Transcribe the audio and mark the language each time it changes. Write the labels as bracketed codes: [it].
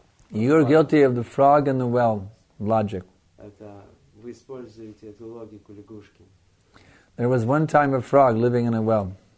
[en] You are guilty of the frog in the well logic. [ru] это вы используете эту логику лягушки. [en] There was one time a frog living in a well.